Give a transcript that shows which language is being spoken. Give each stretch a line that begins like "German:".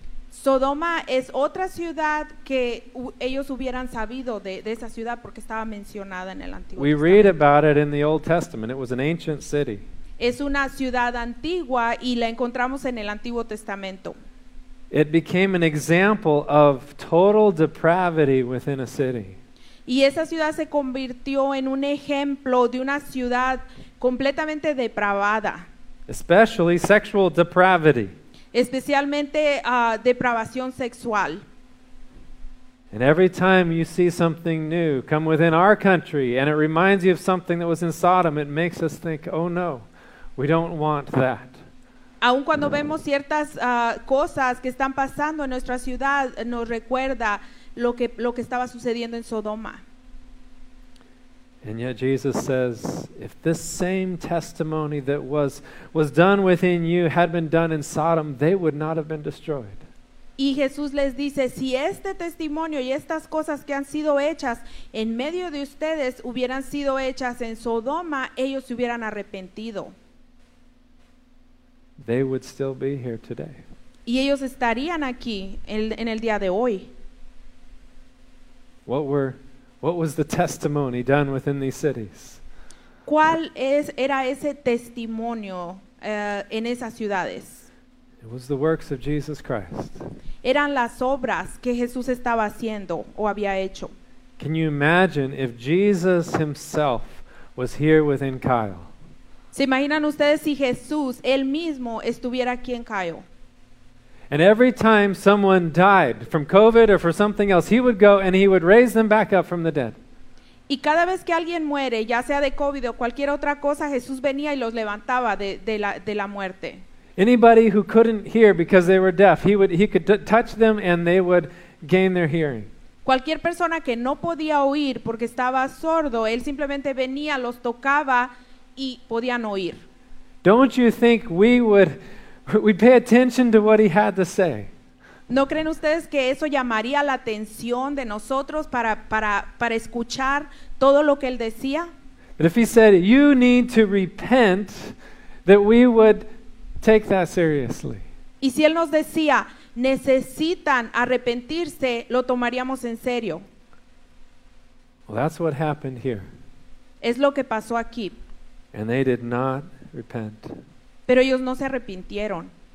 Spanish: Sodoma es otra ciudad que ellos hubieran sabido de esa ciudad porque estaba mencionada en el Antiguo Testamento.
English: We read about it in the Old Testament. It was an ancient city.
Spanish: Es una ciudad antigua y la encontramos en el Antiguo Testamento.
English: It became an example of total depravity within a city.
Spanish: Y esa ciudad se convirtió en un ejemplo de una ciudad completamente depravada.
English: Especially sexual depravity.
Spanish: Especialmente depravación sexual.
English: And every time you see something new come within our country and it reminds you of something that was in Sodom, it makes us think, oh no, we don't want that.
Spanish: Aun cuando vemos ciertas cosas que están pasando en nuestra ciudad, nos recuerda lo que estaba sucediendo en Sodoma.
English: And yet Jesus says, if this same testimony that was done within you had been done in Sodom, they would not have been destroyed.
Spanish: Y Jesús les dice, si este testimonio y estas cosas que han sido hechas en medio de ustedes hubieran sido hechas en Sodoma, ellos se hubieran arrepentido.
English: They would still be here today.
Spanish: Y ellos estarían aquí en el día de hoy.
English: What was the testimony done within these cities?
Spanish: ¿Cuál era ese testimonio en esas ciudades?
English: It was the works of Jesus Christ.
Spanish: Eran las obras que Jesús estaba haciendo o había hecho.
English: Can you imagine if Jesus himself was here within Kyle?
Spanish: ¿Se imaginan ustedes si Jesús, él mismo, estuviera aquí en Kyle?
English: And every time someone died from COVID or for something else, he would go and he would raise them back up from the dead.
Spanish: Y cada vez que alguien muere, ya sea de COVID o cualquier otra cosa, Jesús venía y los levantaba de la muerte.
English: Anybody who couldn't hear because they were deaf, he could touch them and they would gain their hearing.
Spanish: Cualquier persona que no podía oír porque estaba sordo, él simplemente venía, los tocaba y podían oír.
English: Don't you think we'd pay attention to what he had to say?
Spanish: ¿No creen ustedes que eso llamaría la atención de nosotros para escuchar todo lo que él decía?
English: But if he said, you need to repent, that we would take that seriously.
Spanish: Y si él nos decía, necesitan arrepentirse, lo tomaríamos en serio.
English: Well, that's what happened here.
Spanish: Es lo que pasó aquí.
English: And they did not repent.
Spanish: Pero ellos no se arrepintieron.